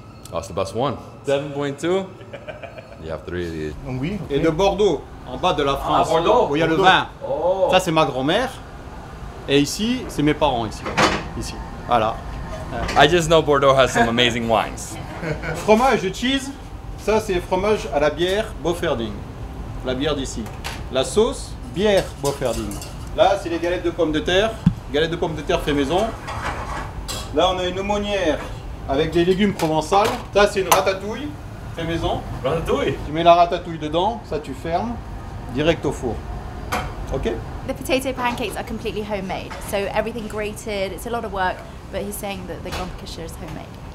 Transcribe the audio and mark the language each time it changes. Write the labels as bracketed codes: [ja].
[en] That's the best one. 7.2? You have three of these. [fr] Oui, okay. Et de Bordeaux, en bas de la France, ah, Bordeaux, où il y a Bordeaux. Le vin. Oh. Ça, c'est ma grand-mère. Et ici, c'est mes parents, ici. Ici, voilà. [en] I just know Bordeaux has some amazing wines. [fr] Fromage et cheese, ça, c'est fromage à la bière Boferding. La bière d'ici. La sauce, bière Boferding. Là, c'est les galettes de pommes de terre. Galettes de pommes de terre fait maison. Là, on a une aumônière avec des légumes provençaux. Ça, c'est une ratatouille. Fait maison. Ratatouille. Tu mets la ratatouille dedans, ça tu fermes, direct au four. Ok. [en] The potato pancakes are completely homemade. So everything grated, it's a lot of work, but he's saying that the grand cuisinier is homemade.